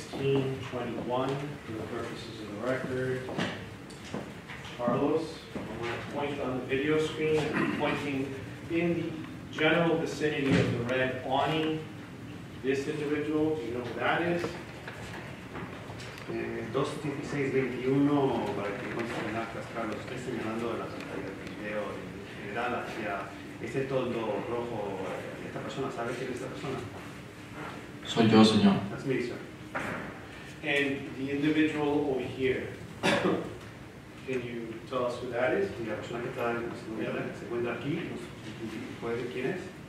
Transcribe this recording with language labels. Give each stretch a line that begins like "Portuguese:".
English: For the purposes of the record, Carlos, I'm going to point on the video screen, pointing in the general vicinity of the red awning, this individual, do you know who that is?
Spanish: 256-21, para que conste en actas, Carlos, estoy señalando la pantalla del video en general hacia ese toldo rojo, esta persona, ¿sabe quién es esta persona? Soy yo, señor.
English: That's me, sir. And the individual over here, can you tell us who that is?
Spanish: La persona que está en el mueble, se encuentra aquí, ¿puede decir quién es?